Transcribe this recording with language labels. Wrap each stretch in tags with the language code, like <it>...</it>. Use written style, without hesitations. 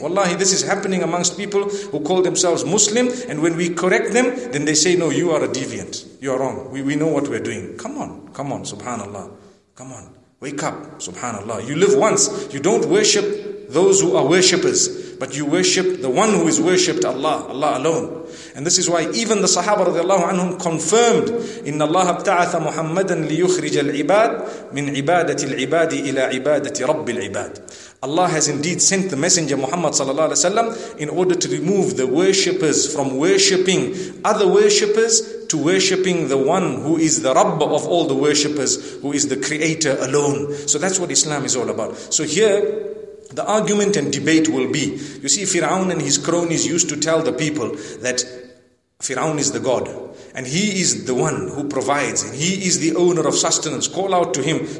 <en>Wallahi, this is happening amongst people who call themselves Muslim, and when we correct them, then they say, no, you are a deviant. You are wrong. We know what we're doing. Come on, subhanallah. Come on, wake up, subhanallah. You live once. You don't worship those who are worshippers, but you worship the one who is worshipped, Allah, Allah alone. And this is why even the Sahaba radiallahu anhum confirmed,</en> <ar>إِنَّ اللَّهَ ابْتَعَثَ مُحَمَّدًا لِيُخْرِجَ الْعِبَادِ مِنْ عِبَادَةِ الْعِبَادِ إِلَىٰ عِبَادَةِ رَبِّ الْعِبَادِ.</ar> <en>Allah has indeed sent the messenger Muhammad sallallahu alaihi wasallam in order to remove the worshippers from worshipping other worshippers to worshipping the one who is the Rabb of all the worshippers, who is the creator alone. So that's what Islam is all about. So here, the argument and debate will be, you see, Fir'aun and his cronies used to tell the people that Fir'aun is the God, and he is the one who provides, and he is the owner of sustenance. Call out to him.</en>